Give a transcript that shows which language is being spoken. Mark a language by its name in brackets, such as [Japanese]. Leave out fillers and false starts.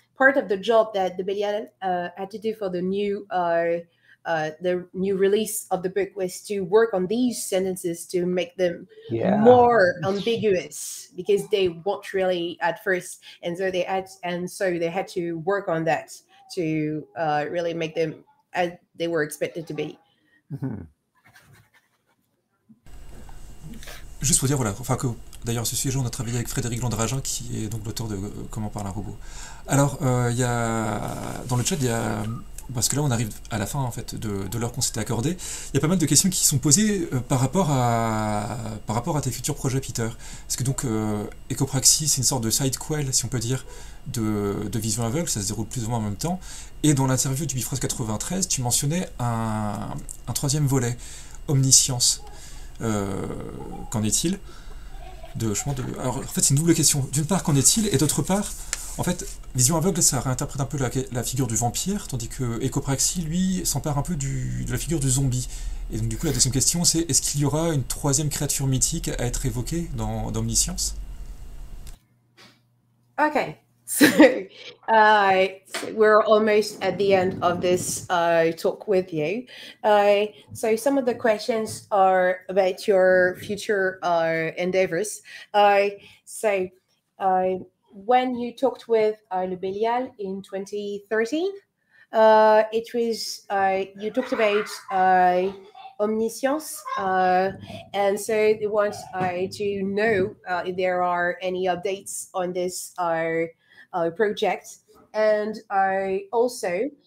[English] Part of the job that the Belial had to do for the new release of the book was to work on these sentences to make them more ambiguous, because they weren't really at first, and so they had to work on that to really make them as they were expected to be. [French] Mm-hmm. Juste pour dire, voilà, enfin que. D'ailleurs, ce sujet, on a travaillé avec Frédéric Landragin, qui est donc l'auteur de Comment parle un robot. Alors, il y a dans le chat, il y a parce que là, on arrive à la fin en fait de l'heure qu'on s'était accordé. Il y a pas mal de questions qui sont posées par rapport à tes futurs projets, Peter. Parce que donc, Ecopraxie, c'est une sorte de side quell, si on peut dire, de Vision aveugle. Ça se déroule plus ou moins en même temps. Et dans l'interview du Bifrost 93, tu mentionnais un troisième volet, Omniscience. Qu'en est-il? Alors en fait c'est une double question. D'une part, qu'en est-il, et d'autre part, en fait, Vision aveugle, ça réinterprète un peu la figure du vampire, tandis que Ecopraxie, lui, s'empare un peu de la figure du zombie. Et donc du coup la deuxième question, c'est est-ce qu'il y aura une troisième créature mythique à être évoquée dans Omniscience? Ok. [English] So, we're almost at the end of this talk with you. So some of the questions are about your future endeavors. When you talked with Le Belial in 2013, it was you talked about Omniscience, and so they want to know if there are any updates on this project, and I also